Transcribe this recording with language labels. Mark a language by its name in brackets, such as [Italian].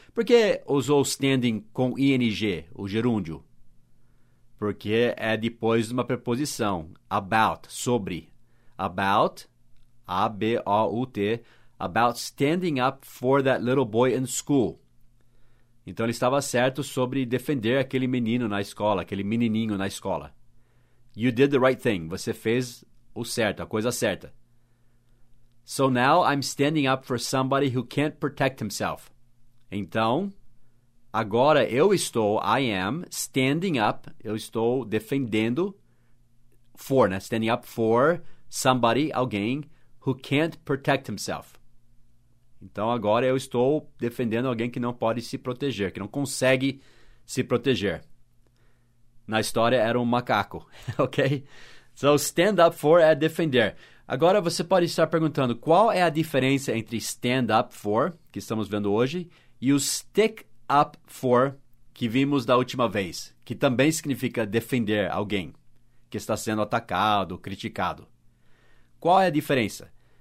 [Portuguese] Por que usou standing com ing, o gerúndio? Porque é depois de uma preposição. About, sobre. [English] About, A-B-O-U-T, about standing up for that little boy in school. [Portuguese] Então, ele estava certo sobre defender aquele menino na escola, aquele menininho na escola. [English] You did the right thing. [Portuguese] Você fez o certo, a coisa certa. [English] So now I'm standing up for somebody who can't protect himself. [Portuguese] Então, agora eu estou, [English] I am, standing up, [Portuguese] eu estou defendendo, for, né? [English] Standing up for somebody, [Portuguese] alguém, [English] who can't protect himself. [Portuguese] Então, agora eu estou defendendo alguém que não pode se proteger, que não consegue se proteger. Na história, era um macaco, ok? So, stand up for é defender. Agora, você pode estar perguntando, qual é a diferença entre stand up for, que estamos vendo hoje, e o stick up for, que vimos da última vez, que também significa defender alguém que está sendo atacado, criticado. Qual é a diferença?